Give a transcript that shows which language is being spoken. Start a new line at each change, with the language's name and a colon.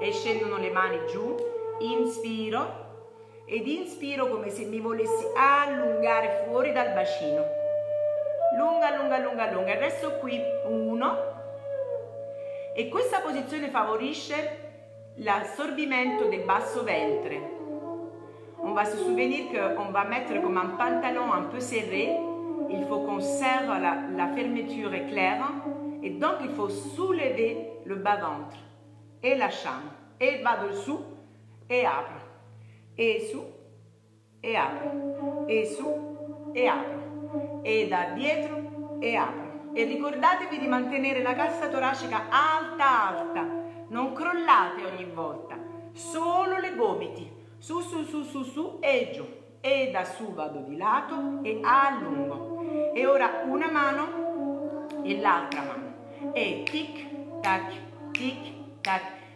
Italian: E scendono le mani giù, inspiro ed inspiro come se mi volessi allungare fuori dal bacino. Lunga, lunga, lunga, lunga. Resto qui, uno. E questa posizione favorisce l'assorbimento del basso ventre.
French: On va se souvenir qu'on va mettre comme un pantalon un peu serré, il faut qu'on serre la fermeture éclair, et donc il faut soulever le bas-ventre, et
Italian: lasciamo, et vado su, et apro,
French: et su, et apro, et su, et apro, et da dietro, et apro.
Italian: E ricordatevi di mantenere la cassa toracica alta, alta, non crollate ogni volta, solo le gomiti. Su, su, su, su, su e giù. E da su vado di lato e allungo. E ora una mano e l'altra mano. E tic, tac, tic, tac.